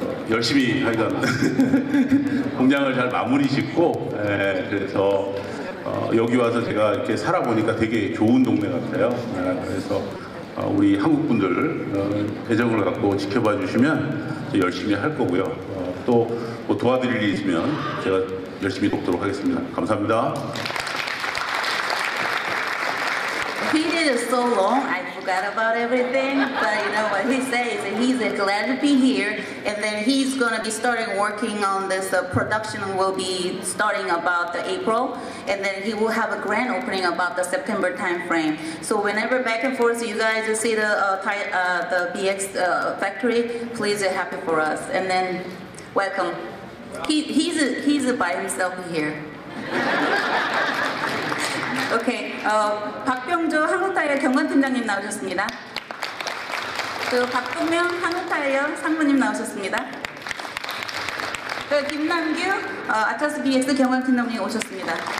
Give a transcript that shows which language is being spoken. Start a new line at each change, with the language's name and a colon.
Korean: 열심히 하여간 공장을 잘 마무리 짓고, 그래서 여기 와서 제가 이렇게 살아보니까 되게 좋은 동네 같아요. 그래서 우리 한국분들 애정을 갖고 지켜봐 주시면 열심히 할 거고요. 또 뭐 도와드릴 일 있으면 제가 열심히 돕도록 하겠습니다. 감사합니다.
English: So long, I forgot about everything, but you know what he says, he's glad to be here, and then he's going to be starting working on this production will be starting about April, and then he will have a grand opening about the September time frame. So whenever back and forth you guys see the BX factory, please be happy for us, and then welcome. He's by himself here.
Korean: Okay, 박병조 한국타이어 경관팀장님 나오셨습니다. 그 박동명 한국타이어 상무님 나오셨습니다. 김남규 아틀라스 BX 경영팀장님 오셨습니다.